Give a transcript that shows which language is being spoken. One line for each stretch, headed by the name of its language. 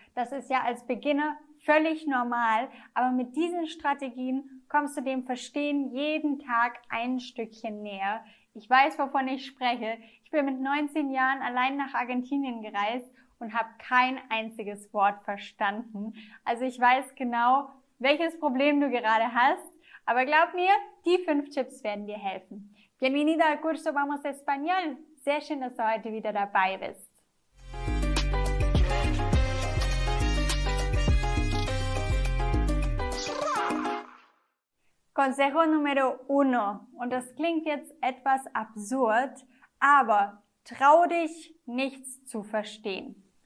German: Das ist ja als Beginner völlig normal, aber mit diesen Strategien kommst du dem Verstehen jeden Tag ein Stückchen näher. Ich weiß, wovon ich spreche. Ich bin mit 19 Jahren allein nach Argentinien gereist und habe kein einziges Wort verstanden. Also ich weiß genau, welches Problem du gerade hast. Aber glaub mir, die 5 Tipps werden dir helfen.
Spanish: Bienvenida al curso Vamos Español.
German: Sehr schön, dass du heute wieder dabei bist.
Spanish: Consejo número uno.
German: Und das klingt jetzt etwas absurd, aber trau dich, nichts zu verstehen.